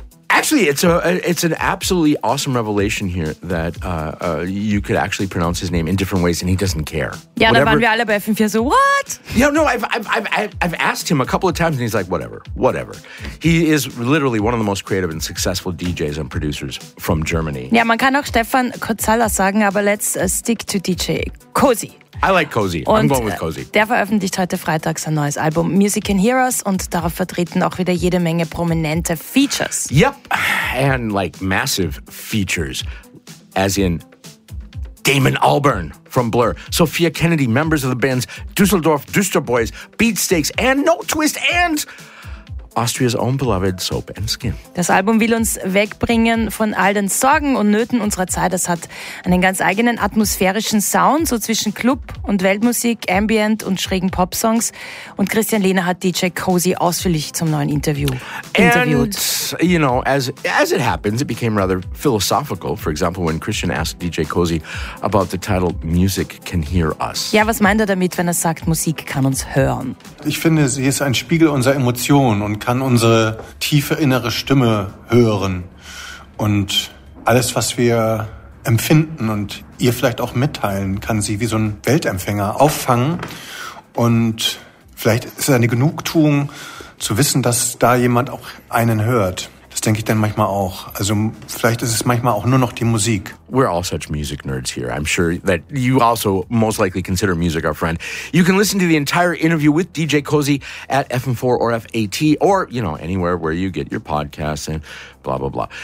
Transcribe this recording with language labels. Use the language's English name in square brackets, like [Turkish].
[English] Actually, it's an absolutely awesome revelation here that you could actually pronounce his name in different ways, and he doesn't care. Yeah, whatever. [German] Dann waren wir alle bei FM4 [English] so, what? Yeah, no, I've asked him a couple of times, and he's like, whatever, whatever. He is literally one of the most creative and successful DJs and producers from Germany. [German] Yeah, man kann auch Stefan Kotzala sagen, aber [English] let's stick to DJ Cozy. I like Cozy. [German] Und [English] I'm going with Cozy. [German] Der veröffentlicht heute freitags sein neues Album Music and Heroes und darauf vertreten auch wieder jede Menge prominente Features. [English] Yep, and like massive features, as in Damon Albarn from Blur, Sophia Kennedy, members of the bands Düsseldorf, Düster Boys, Beatsteaks and No Twist and Austria's own beloved Soap and Skin. [German] Das Album will uns wegbringen von all den Sorgen und Nöten unserer Zeit. Es hat einen ganz eigenen atmosphärischen Sound, so zwischen Club und Weltmusik, Ambient und schrägen Popsongs. Und Christian Lehner hat DJ Cozy ausführlich zum neuen Interview interviewt. [English] And, you know, as it happens, it became rather philosophical. For example, when Christian asked DJ Cozy about the title Music Can Hear Us. [German] Ja, was meint er damit, wenn er sagt, Musik kann uns hören? Ich finde, sie ist ein Spiegel unserer Emotionen und kann unsere tiefe innere Stimme hören. Und alles, was wir empfinden und ihr vielleicht auch mitteilen, kann sie wie so ein Weltempfänger auffangen. Und vielleicht ist es eine Genugtuung, zu wissen, dass da jemand auch einen hört. Das denke ich dann manchmal auch. Also vielleicht ist es manchmal auch nur noch die Musik. [English] We're all such music nerds here. I'm sure that you also most likely consider music our friend. You can listen to the entire interview with DJ Cozy at FM4 or FAT or, you know, anywhere where you get your podcasts and blah, blah, blah.